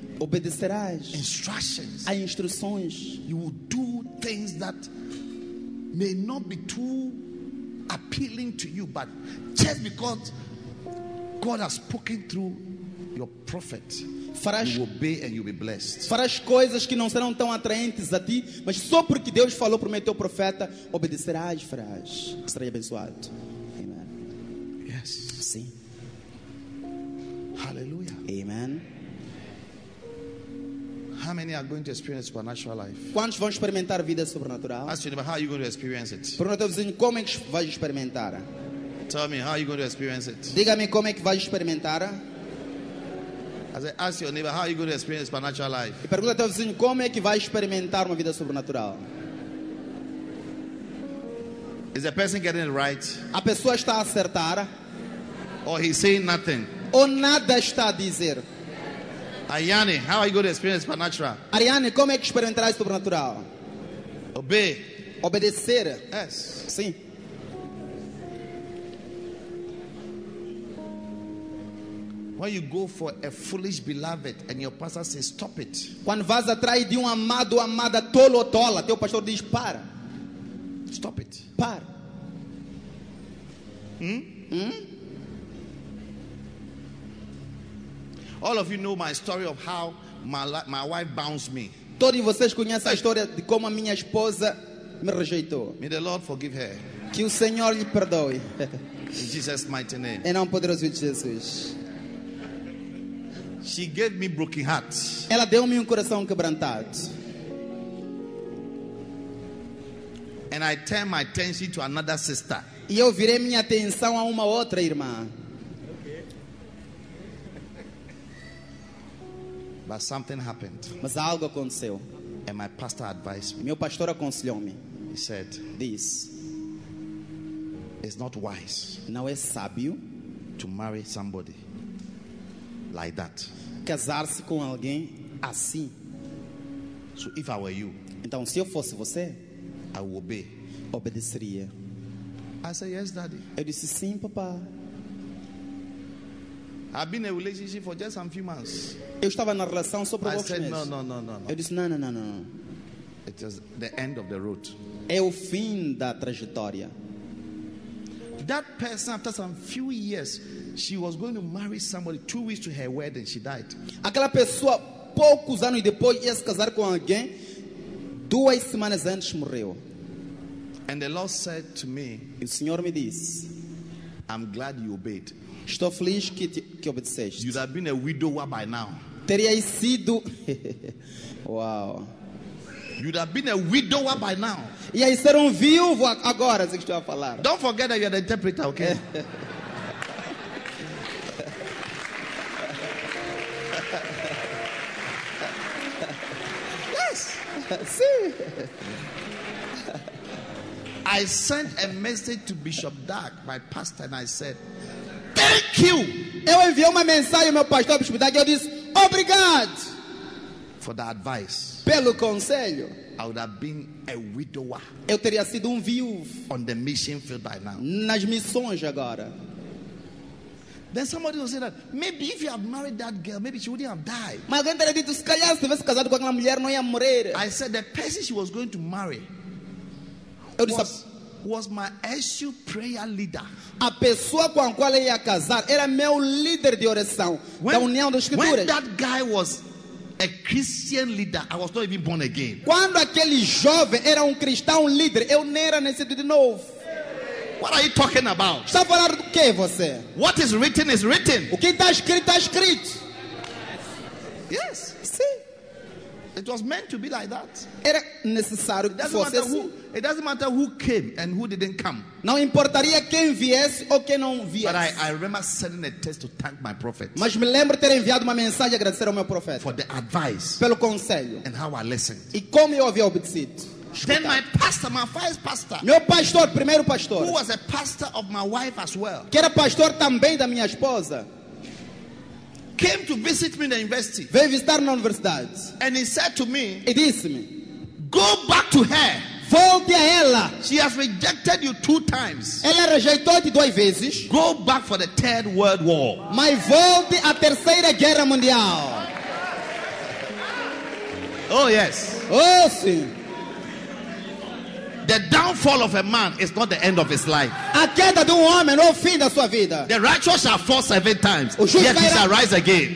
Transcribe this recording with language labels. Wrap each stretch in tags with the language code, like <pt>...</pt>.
<pt>Obedecerás.</pt> <en>Instructions.</en> <pt>A instruções.</pt> <en>You will do things that may not be too appealing to you, but just because God has spoken through your prophet,</en> <pt>farás,</pt> <en>you obey and you'll be blessed.</en> <pt>Farás coisas que não serão tão atraentes a ti, mas só porque Deus falou para o teu profeta, obedecerás, farás, serás abençoado.</pt> <en>Amen. Yes.</en> <pt>Sim.</pt> <en>Hallelujah. Amen. How many are going to experience supernatural life?</en> <pt>Quantos vão experimentar a vida sobrenatural?</pt> <en>Ask you, but how are you going to experience it?</en> <pt>Pergunta ao teu vizinho, como é que vais experimentar?</pt> <en>Tell me, how are you going to experience it?</en> <pt>Diga-me como é que vais experimentar.</pt> <en>As I ask your neighbor, how are you going to experience supernatural life?</en> <pt>E pergunta ao teu vizinho, como é que vai experimentar uma vida sobrenatural?</pt> <en>Is the person getting it right?</en> <pt>A pessoa está a acertar?</pt> <en>Or he's saying nothing?</en> <pt>Ou nada está a dizer?</pt> <en>Ariane, how are you going to experience supernatural?</en> <pt>Ariane, como é que experimentarás sobrenatural?</pt> <en>Obey.</en> <pt>Obedecer.</pt> <en>Yes.</en> <pt>Sim.</pt> <en>When you go for a foolish beloved and your pastor says stop it.</en> <pt>Quando vas atrás de um amado ou amada tolo ou tola, teu pastor diz para.</pt> <en>Stop it.</en> <pt>Para.</pt> <en>All of you know my story of how my wife bounced me.</en> <pt>Todos vocês conhecem a história de como a minha esposa me rejeitou.</pt> <en>May the Lord forgive her.</en> <pt>Que o Senhor lhe perdoe.</pt> <en>In Jesus' mighty name.</en> <pt>Em nome poderoso de Jesus.</pt> <en>She gave me broken heart.</en> <pt>Ela deu-me coração quebrantado.</pt> <en>And I turned my attention to another sister.</en> <pt>E eu virei minha atenção a uma outra irmã.</pt> <en>But something happened.</en> <pt>Mas algo aconteceu.</pt> <en>And my pastor advised me.</en> <pt>Meu pastor aconselhou-me.</pt> <en>He said, "This is not wise.</en> <pt>Não é sábio</pt> <en>to marry somebody like that."</en> <pt>Casar-se com alguém assim.</pt> <en>So if I were you,</en> <pt>então se eu fosse você,</pt> <en>I would obey.</en> <pt>Obedeceria.</pt> <en>I said, "Yes, daddy."</en> <pt>Eu disse sim, papá.</pt> <en>I've been in a relationship for just some few months.</en> <pt>Eu estava na relação só por alguns meses.</pt> <en>I said no.</en> <pt>Eu disse não.</pt> <en>It is the end of the road.</en> <pt>É o fim da trajetória.</pt> <en>That person, after some few years, she was going to marry somebody 2 weeks to her wedding. She died.</en> <pt>Aquela pessoa poucos anos depois ia se casar com alguém 2 semanas antes morreu.</pt> <en>And the Lord said to me,</en> <pt>o Senhor me disse,</pt> <en>I'm glad you obeyed.</en> <pt>Estou feliz que obedeceste.</pt> <en>You'd have been a widower by now.</en> <pt>Teria sido. Wow.</pt> <en>You'd have been a widower by now.</en> <pt>Ia ser viúvo agora, se estou a falar.</pt> <en>Don't forget that you're the interpreter, okay? Yes. See. I sent a message to Bishop Dark, my pastor, and I said, thank you.</en> <pt>Eu enviei uma mensagem ao meu pastor Bishop Dark, eu disse, obrigado.</pt> <en>For the advice.</en> <pt>Pelo conselho.</pt> <en>I would have been a widower.</en> <pt>Eu teria sido viúvo.</pt> <en>On the mission field by now.</en> <pt>Nas missões agora.</pt> <en>Then somebody will say that maybe if you have married that girl, maybe she wouldn't have died.</en> <pt>Mas alguém teria dito, se calhar se tivesse casado com aquela mulher, não ia morrer.</pt> <en>I said the person she was going to marry. Was my SU prayer leader.</en> <pt>A pessoa com a qual ia casar era meu líder de oração da União das Escrituras.</pt> <en>When that guy was a Christian leader, I was not even born again.</en> <pt>Quando aquele jovem era cristão líder, eu não era nascido de novo.</pt> <en>What are you talking about?</en> <pt>Está falando do que você?</pt> <en>What is written is written.</en> <pt>O que está escrito.</pt> <en>Yes.</en> <pt>Sim.</pt> <en>It was meant to be like that.</en> <pt>Era necessário.</pt> <en>It doesn't matter who came and who didn't come.</en> <pt>Não importaria quem viesse ou quem não viesse.</pt> <en>But I remember sending a text to thank my prophet.</en> <pt>Mas me lembro ter enviado uma mensagem a agradecer ao meu profeta.</pt> <en>For the advice.</en> <pt>Pelo conselho.</pt> <en>And how I listened.</en> <pt>E como eu havia obedecido.</pt> <en>Then my pastor, my first pastor.</en> <pt>Meu pastor, primeiro pastor.</pt> <en>Who was a pastor of my wife as well.</en> <pt>Que era pastor também da minha esposa.</pt> <en>Came to visit me in the university.</en> <pt>Veio visitar na universidade.</pt> <en>And he said to me.</en> <pt>E disse-me.</pt> <en>Go back to her.</en> <pt>Volte a ela.</pt> <en>She has rejected you 2 times.</en> <pt>Ela rejeitou-te 2 vezes.</pt> <en>Go back for the third world war.</en> <pt>Mas volte à terceira guerra mundial.</pt> <en>Oh yes.</en> <pt>Oh sim.</pt> <en>The downfall of a man is not the end of his life.</en> <pt>A queda de homem não é o fim da sua vida.</pt> <en>The righteous shall fall 7 times, yet he shall rise again.</en>